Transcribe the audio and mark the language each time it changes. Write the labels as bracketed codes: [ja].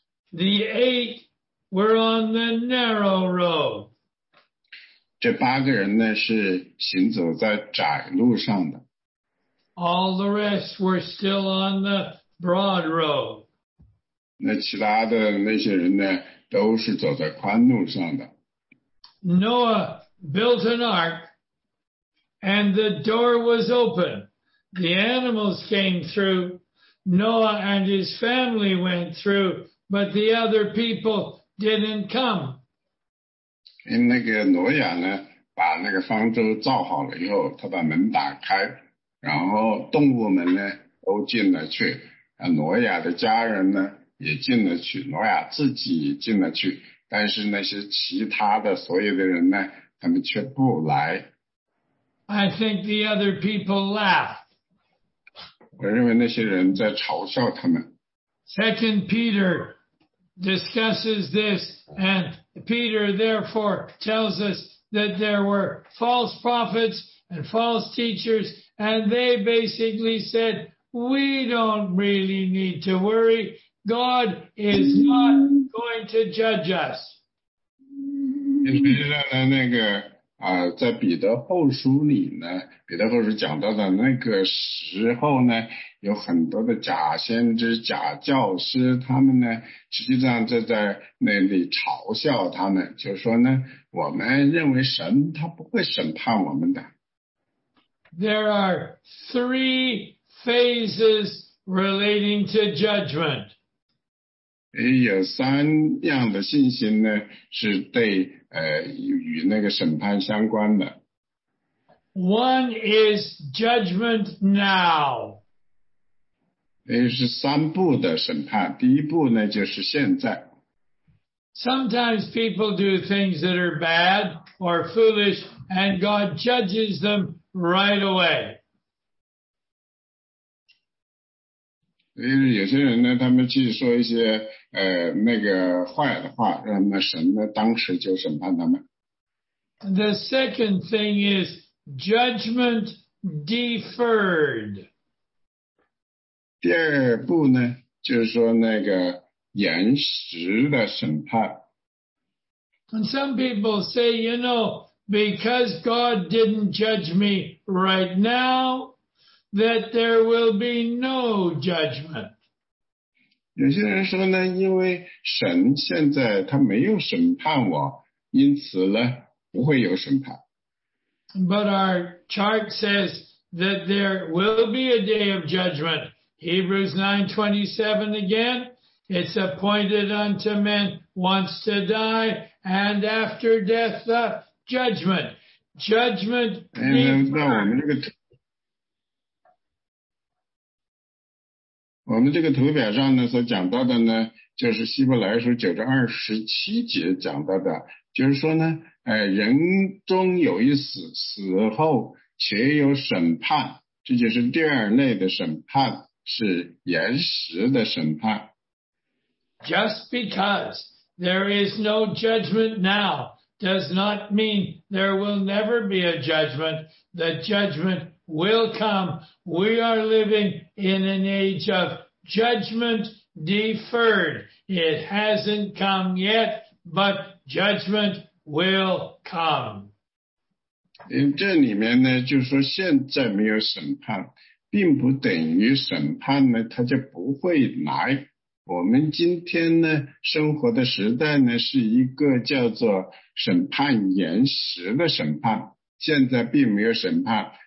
[en] The eight were on the narrow road. [zh] 这八个人呢，是行走在窄路上的。 [en] All the rest were still on the broad road. [zh] 那其他的那些人呢，都是走在宽路上的。 [en] Noah built an ark, and the door was open. The animals came through. Noah and his family went through, but the other people didn't come. [zh] 那个挪亚呢，把那个方舟造好了以后，他把门打开，然后动物们呢都进了去，挪亚的家人呢也进了去，挪亚自己也进了去，但是那些其他的所有的人呢，他们却不来。 [en] I think the other people laughed. [zh] 我认为那些人在嘲笑他们。 [en] Second Peter discusses this, and Peter therefore tells us that there were false prophets and false teachers, and they basically said, we don't really need to worry. God is not going to judge us. [zh] 实际上呢，那个在彼得后书里呢，彼得后书讲到的那个时候呢，有很多的假先知、假教师，他们呢，实际上就在那里嘲笑他们，就是说呢，我们认为神他不会审判我们的。 [en] There are three phases relating to judgment. [zh] 有三样的信心呢，是对与那个审判相关的。 [en] One is judgment now. [zh] 是三步的审判，第一步呢就是现在。 [en] Sometimes people do things that are bad or foolish, and God judges them right away. [zh] 有些人呢，他们去说一些那个坏的话，让那神呢当时就审判他们。 [en] The second thing is judgment deferred. [zh] 第二步呢，就是说那个延迟的审判。 [en] And some people say, you know, because God didn't judge me right now, that there will be no judgment. [zh] 有些人说呢，因为神现在他没有审判我，因此呢不会有审判。 [en] But our chart says that there will be a day of judgment. Hebrews 9:27 again. It's appointed unto men once to die, and after death the judgment. Judgment deferred. [zh] 我们这个图表上呢所讲到的呢，就是希伯来书九章二十七节讲到的，就是说呢，人终有一死，死后且有审判，这就是第二类的审判，是延迟的审判。 [en] Just because there is no judgment now does not mean there will never be a judgment. The judgment will come. We are living in an age of judgment deferred. It hasn't come yet, but judgment will come. [zh] 这里面呢，就是说现在没有审判，并不等于审判呢，它就不会来。我们今天呢，生活的时代呢，是一个叫做审判延迟的审判，现在并没有审判。